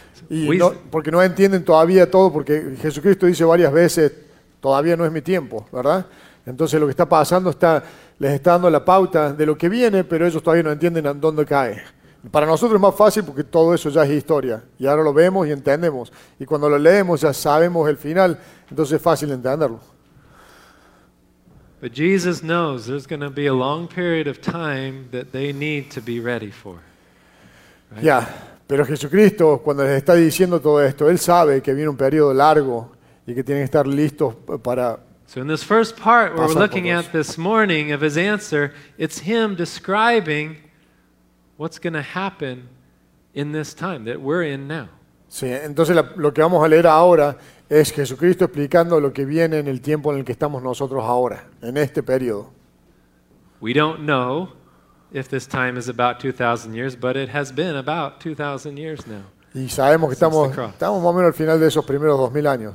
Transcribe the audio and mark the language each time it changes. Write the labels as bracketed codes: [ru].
[es] Y no, porque no entienden todavía todo, porque Jesucristo dice varias veces, todavía no es mi tiempo, ¿verdad? Entonces, lo que está pasando, les está dando la pauta de lo que viene, pero ellos todavía no entienden a dónde cae. Para nosotros es más fácil porque todo eso ya es historia. Y ahora lo vemos y entendemos. Y cuando lo leemos ya sabemos el final. Entonces es fácil entenderlo. [en] But Jesus knows there's going to be a long period of time that they need to be ready for. Right? Yeah. [es] Pero Jesucristo, cuando les está diciendo todo esto, Él sabe que viene un periodo largo y que tienen que estar listos para. [en] So in this first part where we're looking at this morning of His answer, it's Him describing what's going to happen in this time that we're in now. [es] Sí, entonces lo que vamos a leer ahora es Jesucristo explicando lo que viene en el tiempo en el que estamos nosotros ahora, en este periodo. [en] We don't know if this time is about 2,000 years, but it has been about 2,000 years now. [es] Y sabemos que estamos más o menos al final de esos primeros 2000 años.